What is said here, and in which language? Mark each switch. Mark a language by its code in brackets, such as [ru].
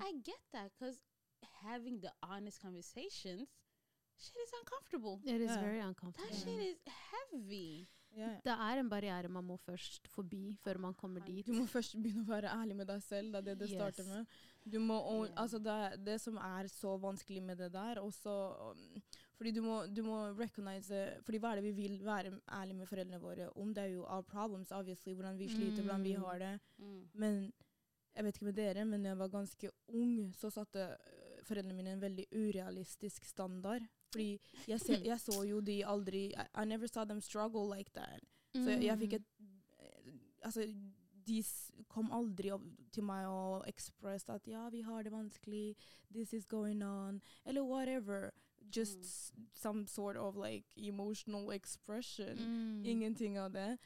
[en] I get that, because having the honest conversations shit is uncomfortable. It is very uncomfortable. That shit is heavy. Yeah. [sv] Det är en barriär man må först förbi för man kommer dit. Du må först börja vara ärlig med dig själv, det är det startar med. Du må alltså det som är så vanskligt med det där och så för du må recognize för vad är det vi vill vara ärlig med föräldrarna våra om det är ju [en] our problems obviously [sv] hur vi sliter bland vi har det. Men jag vet inte med det, men när jag var ganska ung så satte föräldrarna mina en väldigt orealistisk standard. [no] Fordi jeg så jo de aldri, [en] I never saw them struggle like that. [no] Så jeg fikk et, altså, de kom aldri til meg og expressed at, ja, vi har det vanskelig, [en] this is going on, [no] eller whatever. [en] Just some sort of, like, emotional expression. [no] Ingenting av det.